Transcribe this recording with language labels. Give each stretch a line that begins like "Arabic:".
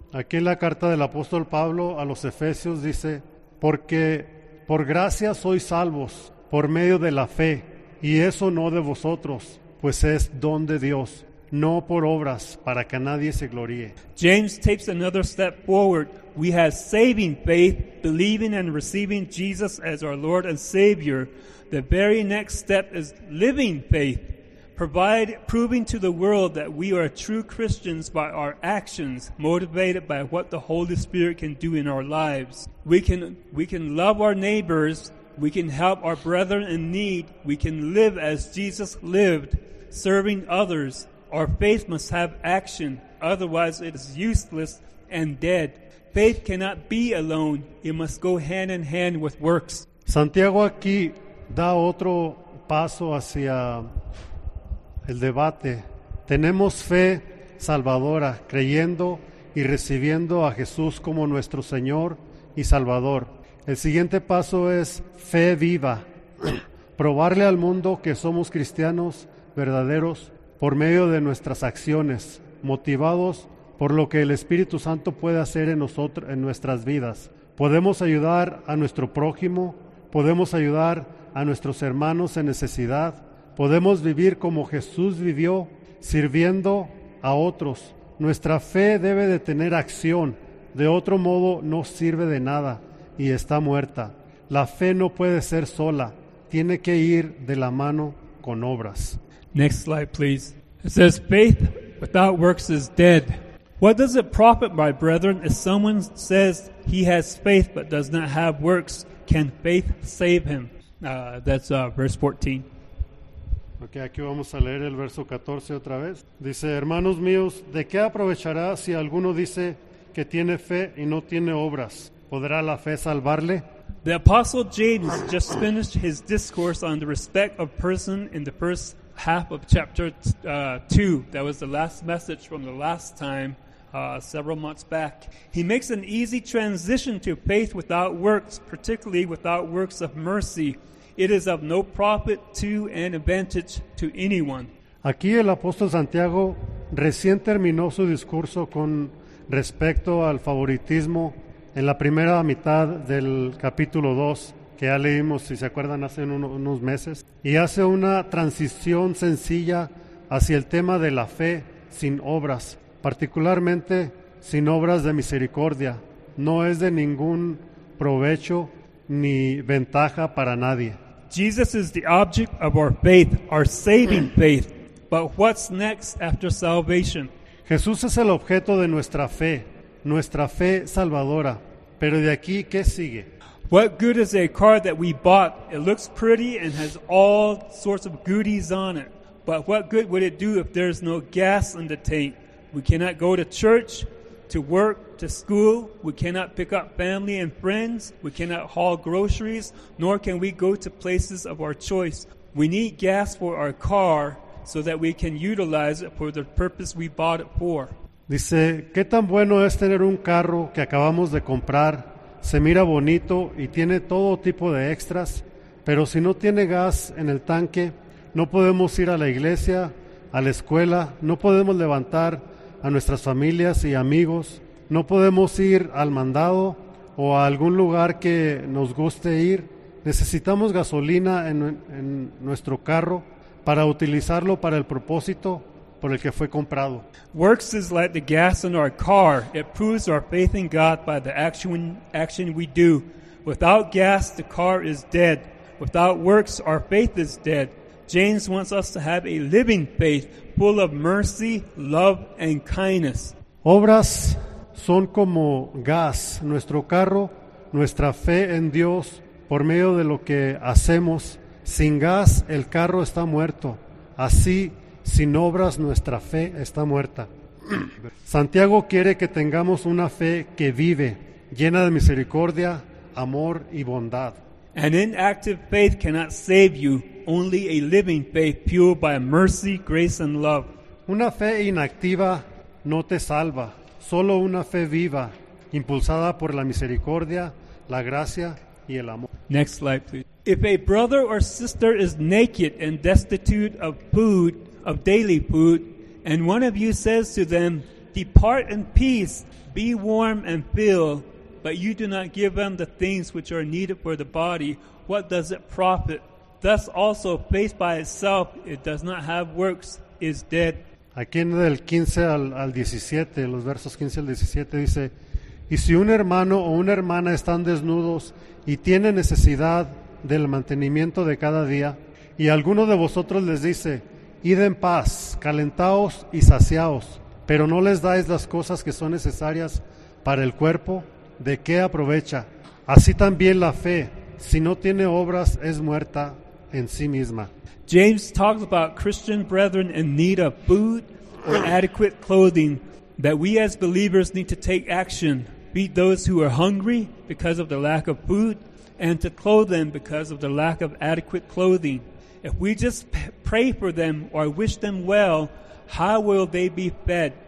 Spanish: Aquí en la carta del apóstol Pablo a los Efesios dice, porque por gracia sois salvos, por medio de la fe, y eso no de vosotros, pues es don de Dios, no por obras, para que nadie se gloríe.
English: James takes another step forward. We have saving faith, believing and receiving Jesus as our Lord and Savior. The very next step is living faith, proving to the world that we are true Christians by our actions, motivated by what the Holy Spirit can do in our lives. We can love our neighbors, we can help our brethren in need, we can live as Jesus lived, serving others. Our faith must have action. otherwise it is useless and dead. Faith cannot be alone. It must go hand in hand with works.
Spanish: Santiago aquí da otro paso hacia el debate. Tenemos fe salvadora, creyendo y recibiendo a Jesús como nuestro Señor y Salvador. El siguiente paso es fe viva. Probarle al mundo que somos cristianos verdaderos por medio de nuestras acciones, motivados por lo que el Espíritu Santo puede hacer en nosotros, en nuestras vidas. Podemos ayudar a nuestro prójimo, podemos ayudar a nuestros hermanos en necesidad, podemos vivir como Jesús vivió, sirviendo a otros. Nuestra fe debe de tener acción, de otro modo no sirve de nada y está muerta. La fe no puede ser sola, tiene que ir de la mano con obras.
English: Next slide, please. It says, faith without works is dead. What does it profit, my brethren, if someone says he has faith but does not have works? Can faith save him? That's verse 14.
Spanish: Okay, aquí vamos a leer el verso 14 otra vez. Dice, hermanos míos, ¿de qué aprovechará si alguno dice que tiene fe y no tiene obras? ¿Podrá la fe salvarle?
English: The Apostle James just finished his discourse on the respect of person in the first half of chapter 2. That was the last message from the last time, several months back. He makes an easy transition to faith without works, particularly without works of mercy. It is of no profit to and advantage to anyone.
Spanish: Aquí el apóstol Santiago recién terminó su discurso con respecto al favoritismo en la primera mitad del capítulo 2, que ya leímos, si se acuerdan, hace unos meses, y hace una transición sencilla hacia el tema de la fe sin obras, particularmente sin obras de misericordia. No es de ningún provecho ni ventaja para nadie.
English: Jesus is the object of our faith, our saving faith. But what's next after salvation?
Spanish: Jesús es el objeto de nuestra fe salvadora. Pero de aquí, ¿qué sigue?
English: What good is a car that we bought? It looks pretty and has all sorts of goodies on it. But what good would it do if there's no gas in the tank? We cannot go to church, to work, to school. We cannot pick up family and friends. We cannot haul groceries, nor can we go to places of our choice. We need gas for our car so that we can utilize it for the purpose we bought it for.
Spanish: Dice, ¿qué tan bueno es tener un carro que acabamos de comprar? Se mira bonito y tiene todo tipo de extras, pero si no tiene gas en el tanque, no podemos ir a la iglesia, a la escuela, no podemos levantar a nuestras familias y amigos, no podemos ir al mandado o a algún lugar que nos guste ir. Necesitamos gasolina en nuestro carro para utilizarlo para el propósito por el que fue comprado.
English: Works is like the gas in our car. It proves our faith in God by the action we do. Without gas, the car is dead. Without works, our faith is dead. James wants us to have a living faith full of mercy, love, and kindness.
Spanish: Obras son como gas. Nuestro carro, nuestra fe en Dios, por medio de lo que hacemos. Sin gas, el carro está muerto. Así, sin obras, nuestra fe está muerta. Santiago quiere que tengamos una fe que vive, llena de misericordia, amor y bondad.
English: An inactive faith cannot save you. Only a living faith fueled by mercy, grace, and love.
Spanish: Una fe inactiva no te salva. Solo una fe viva, impulsada por la misericordia, la gracia y el amor.
English: Next slide, please. If a brother or sister is naked and destitute of food, of daily food, and one of you says to them, depart in peace, be warm and filled, but you do not give them the things which are needed for the body, what does it profit? Thus also, faith by itself, it does not have works, is dead.
Spanish: Aquí en el 15 al 17, los versos 15 al 17 dice, y si un hermano o una hermana están desnudos y tienen necesidad del mantenimiento de cada día, y alguno de vosotros les dice, id en paz, calentaos y saciaos, pero no les dais las cosas que son necesarias para el cuerpo, ¿de qué aprovecha? Así también la fe, si no tiene obras, es muerta en sí misma.
English: James talks about Christian brethren in need of food or adequate clothing. that we as believers need to take action, feed those who are hungry because of the lack of food, and to clothe them because of the lack of adequate clothing. If we just pray for them or wish them well, how will they be fed?